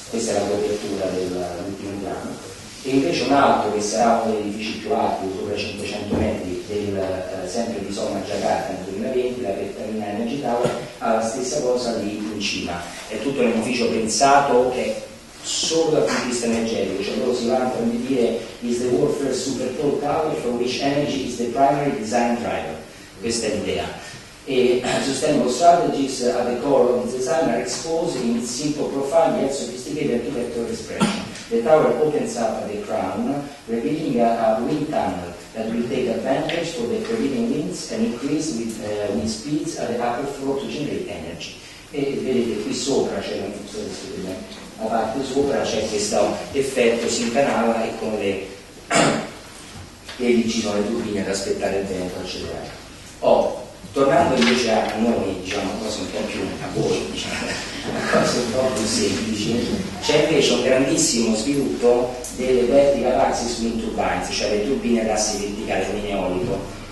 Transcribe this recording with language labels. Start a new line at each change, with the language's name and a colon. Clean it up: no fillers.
Italian: Questa è la copertura dell'ultimo piano. E invece un altro che sarà uno degli edifici più alti, sopra 500 metri, sempre di Soma Giacarta nel 2020, la Pertamina Energy Tower, ha la stessa cosa lì in Cina. È tutto un edificio pensato che solo dal punto di vista energetico, cioè loro si vantano di dire
English: is the world's first super tall tower for which energy is the primary design driver.
Italian: Questa è l'idea. E
English: sustainable strategies at the core of the design are exposed in simple profile yet sophisticated architectural expression. The tower opens up at the crown, revealing a wind tunnel that will take advantage of the prevailing winds and increase with speeds at the upper floor to generate energy.
Italian: E vedete qui sopra c'è la funzione di scrivere. La parte sopra c'è questo effetto, si incanala e con le e vicino alle turbine ad aspettare il vento, eccetera. Oh, tornando invece a noi, diciamo, cose un po' più a voi, diciamo, cose un po' più semplici, c'è invece un grandissimo sviluppo delle vertical axis wind turbines, cioè le turbine ad assi verticali in eolico.